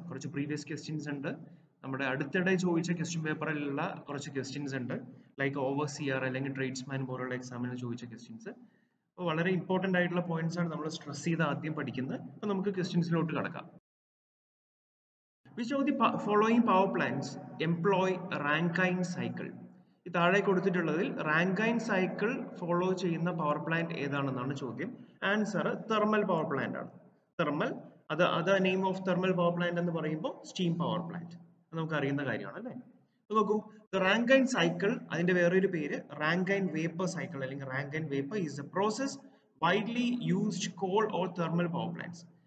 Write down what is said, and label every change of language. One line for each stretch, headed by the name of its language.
Malayalam: കുറച്ച് previous questions ഉണ്ട്, നമ്മുടെ അടുത്തിടെ ചോദിച്ച ക്വസ്റ്റ്യൻ പേപ്പറിലുള്ള കുറച്ച് ക്വസ്റ്റ്യൻസ് ഉണ്ട്, ലൈക്ക് ഓവർ സിആർ അല്ലെങ്കിൽ ട്രേഡ്സ്മാൻ പോലുള്ള എക്സാമിന് ചോദിച്ച ക്വസ്റ്റ്യൻസ്. അപ്പോൾ വളരെ ഇമ്പോർട്ടൻ്റ് ആയിട്ടുള്ള പോയിന്റ്സ് ആണ് നമ്മൾ സ്ട്രെസ് ചെയ്ത് ആദ്യം പഠിക്കുന്നത്. അപ്പോൾ നമുക്ക് ക്വസ്റ്റ്യൻസിലോട്ട് കടക്കാം.
English: Which of the following power plants employ Rankine cycle?
Malayalam: ഈ താഴെ കൊടുത്തിട്ടുള്ളതിൽ റാങ്കൈൻ സൈക്കിൾ ഫോളോ ചെയ്യുന്ന പവർ പ്ലാന്റ് ഏതാണെന്നാണ് ചോദ്യം. ആൻസർ തെർമൽ പവർ പ്ലാന്റ് ആണ്. തെർമൽ, അത് name of thermal power plant എന്ന് പറയുമ്പോൾ സ്റ്റീം പവർ പ്ലാന്റ്. അത് നമുക്ക് അറിയുന്ന കാര്യമാണ് അല്ലേ. നോക്കൂ, ദ റാങ്കൈൻ സൈക്കിൾ, അതിന്റെ വേറൊരു പേര് റാങ്കൈൻ വേപ്പർ സൈക്കിൾ അല്ലെങ്കിൽ Rankine vapour,
English: Is a process widely used coal or thermal power plants.